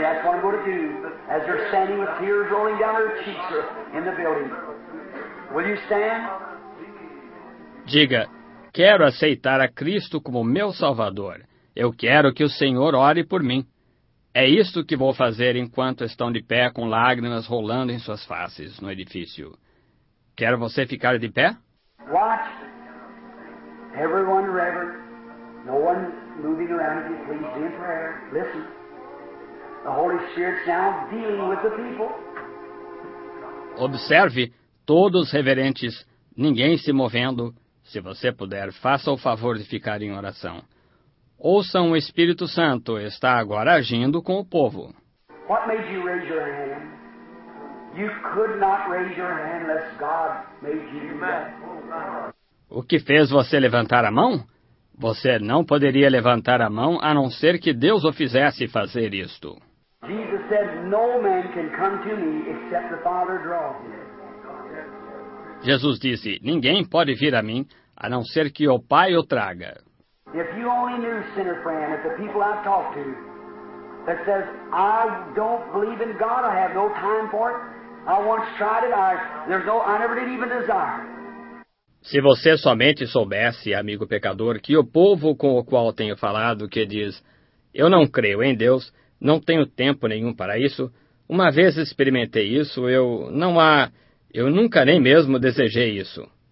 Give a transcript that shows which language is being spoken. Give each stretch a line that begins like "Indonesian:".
English: That's what I'm going to do. As you're standing with tears rolling down her cheeks in the building. Will you stand?
Portuguese: Diga, quero aceitar a Cristo como meu Salvador. Eu quero que o Senhor ore por mim. É isto que vou fazer enquanto estão de pé com lágrimas rolando em suas faces no edifício. Quer você ficar de pé?
English: Watch. Everyone reverent. No one moving around. Please be in prayer. Listen. The Holy Spirit's now dealing with the people.
Portuguese: Observe, todos reverentes, ninguém se movendo. Se você puder, faça o favor de ficar em oração. Ouça, o Espírito Santo está agora agindo com o povo.
English: What made you raise your hand? You could not raise your hand unless God made you.
Portuguese: O que fez você levantar a mão? Você não poderia levantar a mão a não ser que Deus o fizesse fazer isto.
English: Jesus said, no man can come to me except the Father draws him.
Portuguese: Jesus disse, ninguém pode vir a mim a não ser que o Pai o traga.
English: If you only knew, sinner friend, if the people I've talked to that says, I don't believe in God, I have no time for it. I once tried it, I never did even desire.
Portuguese: Se você somente soubesse, amigo pecador, que o povo com o qual tenho falado, que diz, eu não creio em Deus, não tenho tempo nenhum para isso, uma vez experimentei isso, eu nunca nem mesmo desejei isso.